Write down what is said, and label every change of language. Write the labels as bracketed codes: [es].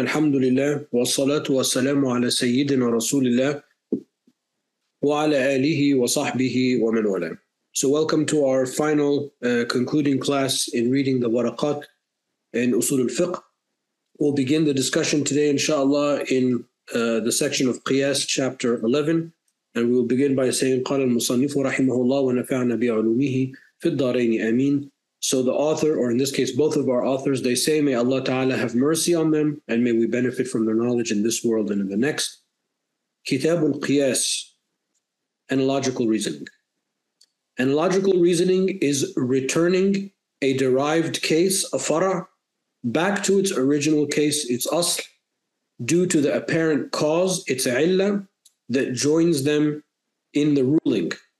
[ar] الحمد لله والصلاة والسلام على سيدنا رسول الله وعلى آله وصحبه ومن والاه. [en] So welcome to our final concluding class in reading the Waraqat in Usul al-Fiqh. We'll begin the discussion today inshallah in the section of Qiyas chapter 11. And we'll begin by saying [ar] قال المصنف رحمه الله ونفعنا بعلومه في الدارين آمين. [en] So the author, or in this case, both of our authors, they say, may Allah Ta'ala have mercy on them, and may we benefit from their knowledge in this world and in the next. Kitab al-Qiyas, analogical reasoning. Analogical reasoning is returning a derived case, a farah, back to its original case, its asl, due to the apparent cause, its illah, that joins them in the ruling.